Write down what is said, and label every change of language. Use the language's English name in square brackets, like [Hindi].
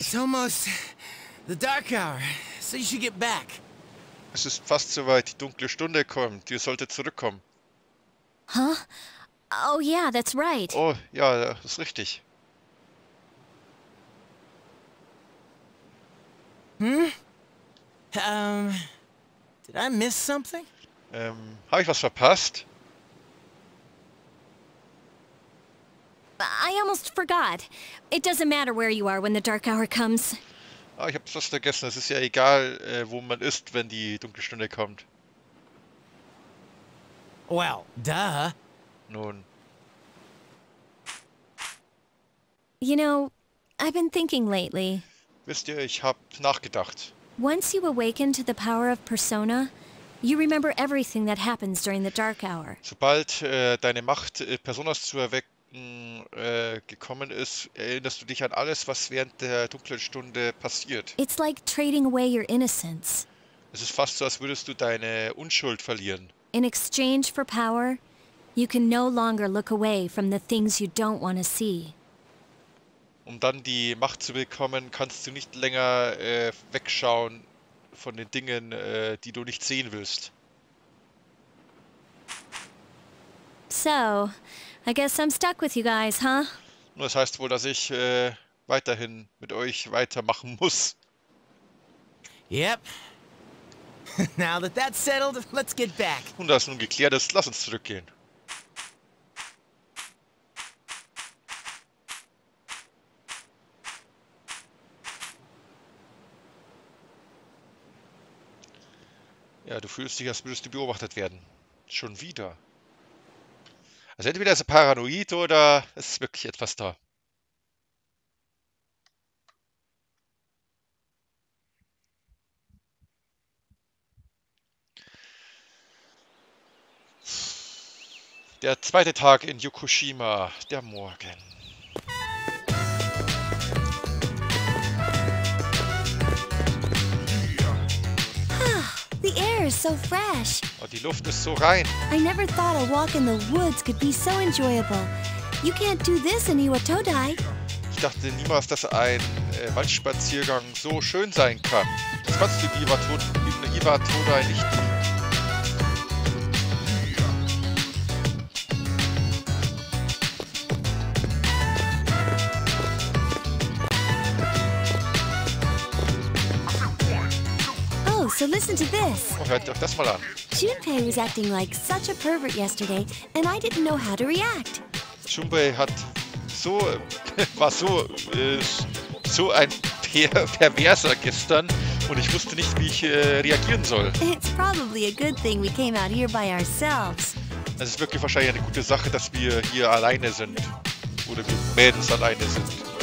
[English] It's almost the dark hour, so you should get back. [German] Es ist fast soweit, die dunkle Stunde kommt. Ihr solltet zurückkommen. [English] Huh? Oh yeah, that's right. [German] Oh ja, das ist richtig. [English] Hm? Did I miss something? [German] Habe ich was verpasst? [English] I almost forgot. It doesn't matter where you are when the dark hour comes. [German] Ah, ich habe es fast vergessen. Es ist ja egal, wo man ist, wenn die dunkle Stunde kommt. [English] Well, duh. [German] Nun. [English] You know, I've been thinking lately. [German] Wisst ihr, ich habe nachgedacht. [English] Once you awaken to the power of Persona, you remember everything that happens during the dark hour. [German] Sobald deine Macht Personas zu erwecken gekommen ist, erinnerst du dich an alles, was während der dunklen Stunde passiert. [English] It's like trading away your innocence. [German] Es ist fast so, als würdest du deine Unschuld verlieren. [English] In exchange for power, you can no longer look away from the things you don't want to see. [German] Um dann die Macht zu bekommen, kannst du nicht länger wegschauen von den Dingen, die du nicht sehen willst. [English] So, I guess I'm stuck with you guys, huh? [German] Nur das heißt wohl, dass ich weiterhin mit euch weitermachen muss. [English] Yep. Now that that's settled, let's get back. [German] Und das nun geklärt ist, lass uns zurückgehen. Ja, du fühlst dich, als würdest du beobachtet werden. Schon wieder. Also entweder ist er paranoid oder es ist wirklich etwas da. Der zweite Tag in Yokoshima. Der Morgen. [English] So fresh. [German] Oh, die Luft ist so rein. [English] I never thought a walk in the woods could be so enjoyable. You can't do this in Iwatodai. [German] Ich dachte niemals, dass ein Waldspaziergang so schön sein kann. Das kannst du in Iwatodai nicht tun. [English] So listen to this. [German] Oh, hört doch das mal an. [English] Junpei was acting like such a pervert yesterday, and I didn't know how to react. [German] Junpei hat so war so so ein Perverser gestern, und ich wusste nicht, wie ich reagieren soll. [English] It's probably a good thing we came out here by ourselves. [German] Es ist wirklich wahrscheinlich eine gute Sache, dass wir hier alleine sind, oder wir Mädels alleine sind.